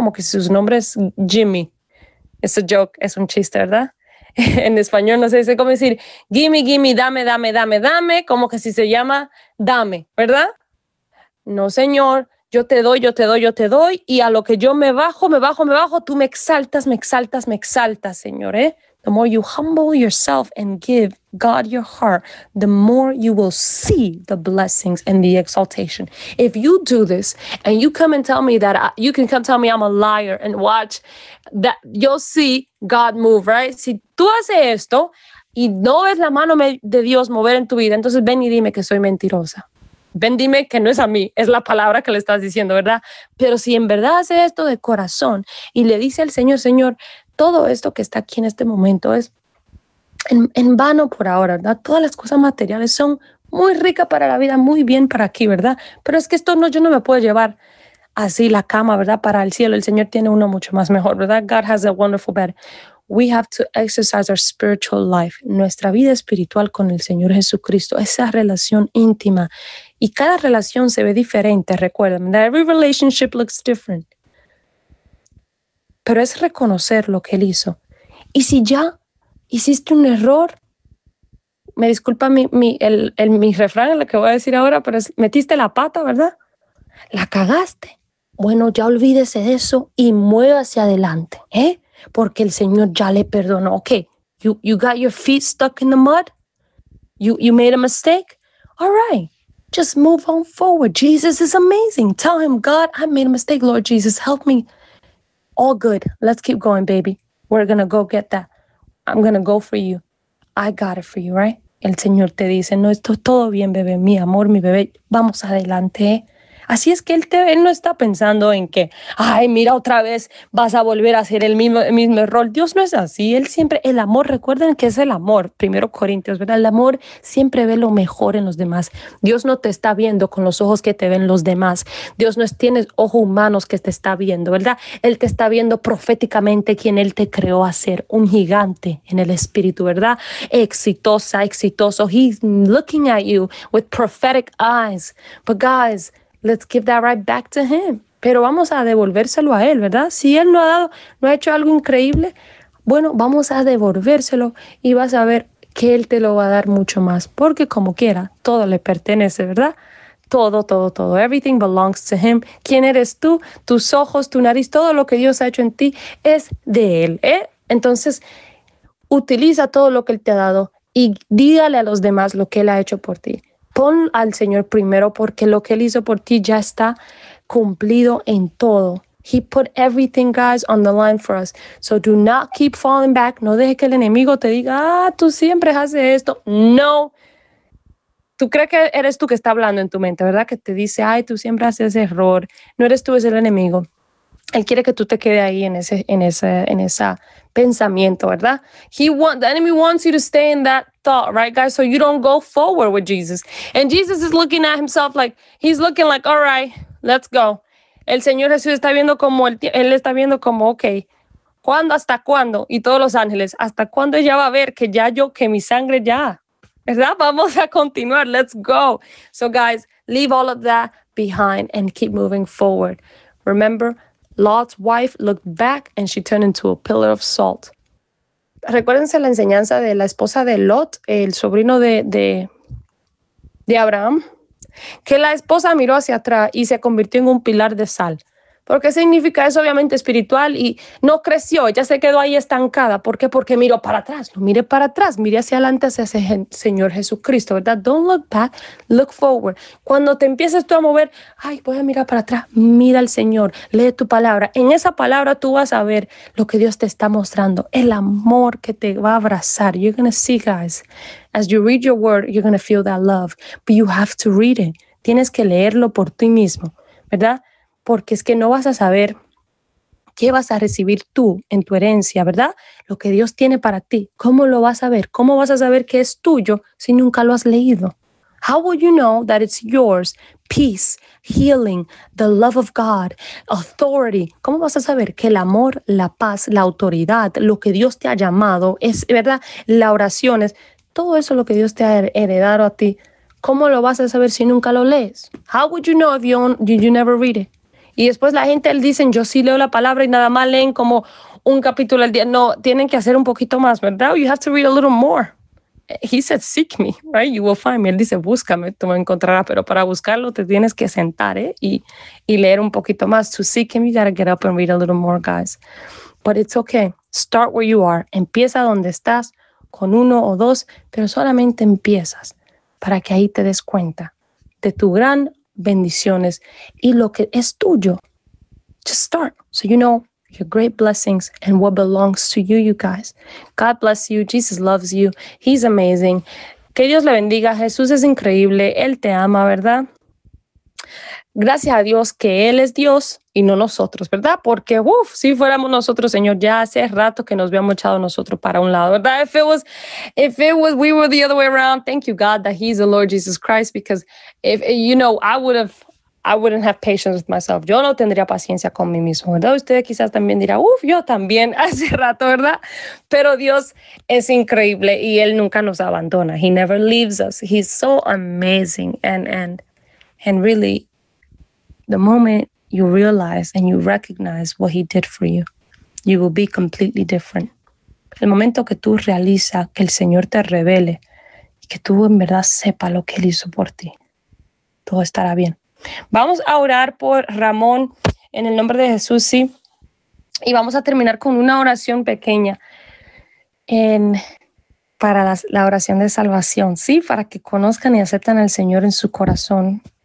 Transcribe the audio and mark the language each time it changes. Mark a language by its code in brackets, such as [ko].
[es] Como que sus nombres es Jimmy. [en] It's a joke, [es] es un chiste, ¿verdad? En español no se dice cómo decir gimme, gimme, dame, dame, dame, dame, como que si se llama dame, ¿verdad? No, señor. Yo te doy, yo te doy, yo te doy, y a lo que yo me bajo, me bajo, me bajo, tú me exaltas, me exaltas, me exaltas, Señor, ¿eh? [en] The more you humble yourself and give God your heart, the more you will see the blessings and the exaltation. If you do this and you come and tell me that, you can come tell me I'm a liar and watch that you'll see God move, right? [es] Si tú haces esto y no ves la mano de Dios mover en tu vida, entonces ven y dime que soy mentirosa. Ven, dime que no es a mí, es la palabra que le estás diciendo, ¿verdad? Pero si en verdad hace esto de corazón y le dice al Señor, Señor, todo esto que está aquí en este momento es en vano por ahora, ¿verdad? Todas las cosas materiales son muy ricas para la vida, muy bien para aquí, ¿verdad? Pero es que esto no, yo no me puedo llevar así la cama, ¿verdad? Para el cielo, el Señor tiene uno mucho más mejor, ¿verdad? [en] God has a wonderful bed. We have to exercise our spiritual life, [es] nuestra vida espiritual con el Señor Jesucristo, esa relación íntima. Y cada relación se ve diferente, recuerden, [en] that every relationship looks different. [es] Pero es reconocer lo que Él hizo. Y si ya hiciste un error, me disculpa mi refrán, lo que voy a decir ahora, pero es, metiste la pata, ¿verdad? La cagaste. Bueno, ya olvídese de eso y mueve hacia adelante, ¿eh? Porque el Señor ya le perdonó. [en] Okay, you got your feet stuck in the mud. You made a mistake. All right, just move on forward. Jesus is amazing. Tell him, God, I made a mistake. Lord Jesus, help me. All good. Let's keep going, baby. We're gonna go get that. I'm gonna go for you. I got it for you, right? [es] El Señor te dice, no, esto es todo bien, bebé. Mi amor, mi bebé, vamos adelante. Así es que él no está pensando en que, ay, mira, otra vez vas a volver a hacer el mismo error. Dios no es así. Él siempre, el amor, recuerden que es el amor. Primero Corintios, ¿verdad? El amor siempre ve lo mejor en los demás. Dios no te está viendo con los ojos que te ven los demás. Dios no tiene ojos humanos que te está viendo, ¿verdad? Él te está viendo proféticamente quien él te creó a ser, un gigante en el espíritu, ¿verdad? Exitosa, exitoso. [en] He's looking at you with prophetic eyes. But guys, let's give that right back to him. [es] Pero vamos a devolvérselo a él, ¿verdad? Si él no ha dado, no ha hecho algo increíble, bueno, vamos a devolvérselo y vas a ver que él te lo va a dar mucho más. Porque como quiera, todo le pertenece, ¿verdad? Todo, todo, todo. [en] Everything belongs to him. [es] ¿Quién eres tú? Tus ojos, tu nariz, todo lo que Dios ha hecho en ti es de él, ¿eh? Entonces, utiliza todo lo que él te ha dado y dígale a los demás lo que él ha hecho por ti. Pon al Señor primero porque lo que Él hizo por ti ya está cumplido en todo. [en] He put everything, guys, on the line for us. So do not keep falling back. [es] No deje que el enemigo te diga, ah, tú siempre haces esto. No. Tú crees que eres tú que está hablando en tu mente, ¿verdad? Que te dice, ay, tú siempre haces error. No eres tú, es el enemigo. Él quiere que tú te quedes ahí en ese pensamiento, ¿verdad? [en] The enemy wants you to stay in that thought, right, guys? So you don't go forward with Jesus. And Jesus is looking at himself like, he's looking like, all right, let's go. [es] El Señor Jesús está viendo como, él está viendo como, ok, ¿cuándo, hasta cuándo? Y todos los ángeles, ¿hasta cuándo ella va a ver que ya yo, que mi sangre ya? ¿Verdad? Vamos a continuar, [en] let's go. So guys, leave all of that behind and keep moving forward. Remember, Lot's wife looked back and she turned into a pillar of salt. [es] Recuérdense la enseñanza de la esposa de Lot, el sobrino de Abraham, que la esposa miró hacia atrás y se convirtió en un pilar de sal. ¿Por qué significa eso? Obviamente espiritual, y no creció, ya se quedó ahí estancada. ¿Por qué? Porque miró para atrás, no mire para atrás, mire hacia adelante, hacia ese Señor Jesucristo, ¿verdad? [en] Don't look back, look forward. [es] Cuando te empieces tú a mover, ay, voy a mirar para atrás, mira al Señor, lee tu palabra. En esa palabra tú vas a ver lo que Dios te está mostrando, el amor que te va a abrazar. [en] You're going to see, guys, as you read your word, you're going to feel that love, but you have to read it. [es] Tienes que leerlo por ti mismo, ¿verdad? Porque es que no vas a saber qué vas a recibir tú en tu herencia, ¿verdad? Lo que Dios tiene para ti. ¿Cómo lo vas a ver? ¿Cómo vas a saber que es tuyo si nunca lo has leído? [en] How will you know that it's yours? Peace, healing, the love of God, authority. [es] ¿Cómo vas a saber que el amor, la paz, la autoridad, lo que Dios te ha llamado, es, ¿verdad? La oración, es todo eso lo que Dios te ha heredado a ti. ¿Cómo lo vas a saber si nunca lo lees? [en] How would you know if you never read it? [es] Y después la gente, él dicen, yo sí leo la palabra y nada más leen como un capítulo al día. No, tienen que hacer un poquito más, ¿verdad? [en] You have to read a little more. He said, seek me, right? You will find me. [es] Él dice, búscame, tú me encontrarás. Pero para buscarlo, te tienes que sentar, ¿eh? Y leer un poquito más. [en] To seek him, you gotta get up and read a little more, guys. But it's okay. Start where you are. [es] Empieza donde estás, con uno o dos, pero solamente empiezas para que ahí te des cuenta de tu gran bendiciones y lo que es tuyo. [en] Just start so you know your great blessings and what belongs to you, you guys. God bless you. Jesus loves you. He's amazing. [es] Que Dios le bendiga. Jesús es increíble. Él te ama, ¿verdad? Gracias a Dios que Él es Dios y no nosotros, ¿verdad? Porque, uff, si fuéramos nosotros, Señor, ya hace rato que nos habíamos echado nosotros para un lado, ¿verdad? [en] If it was, we were the other way around, thank you, God, that He's the Lord Jesus Christ, because if, you know, I wouldn't have patience with myself. [es] Yo no tendría paciencia con mí mismo, ¿verdad? Usted quizás también dirá, uff, yo también hace rato, ¿verdad? Pero Dios es increíble y Él nunca nos abandona. [en] He never leaves us. He's so amazing and really, the moment you realize and you recognize what He did for you, you will be completely different. [es] El momento que tú realizas que el Señor te revele y que tú en verdad sepas lo que Él hizo por ti, todo estará bien. Vamos a orar por Ramón en el nombre de Jesús, sí. Y vamos a terminar con una oración pequeña para la oración de salvación, sí, para que conozcan y acepten al Señor en su corazón.